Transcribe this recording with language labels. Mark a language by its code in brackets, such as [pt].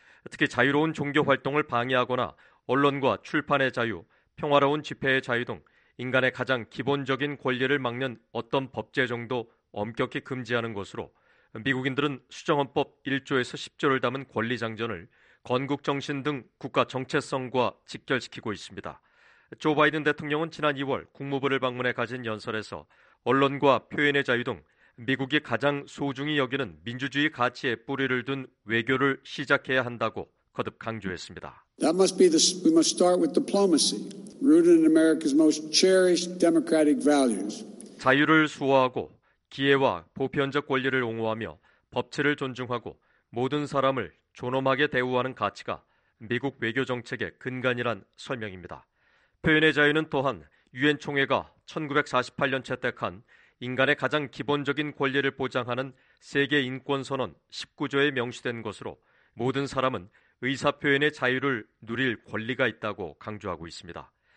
[ko] 특히 자유로운 종교 활동을 방해하거나 언론과 출판의 자유, 평화로운 집회의 자유 등 인간의 가장 기본적인 권리를 막는 어떤 법제정도 엄격히 금지하는 것으로 미국인들은 수정헌법 1조에서 10조를 담은 권리장전을 건국정신 등 국가 정체성과 직결시키고 있습니다. 조 바이든 대통령은 지난 2월 국무부를 방문해 가진 연설에서 언론과 표현의 자유 등 미국이 가장 소중히 여기는 민주주의 가치의 뿌리를 둔 외교를 시작해야 한다고 거듭 강조했습니다. [en] That must be the, we must start with diplomacy, rooted in America's most cherished democratic values. [ko] 자유를 수호하고 기회와 보편적 권리를 옹호하며 법치를 존중하고 모든 사람을 존엄하게 대우하는 가치가 미국 외교 정책의 근간이란 설명입니다. 표현의 자유는 또한 유엔 총회가 1948년 채택한 인간의 가장 기본적인 권리를 보장하는 세계인권선언 19조에 명시된 것으로 모든 사람은 의사표현의 자유를 누릴 권리가 있다고 강조하고 있습니다.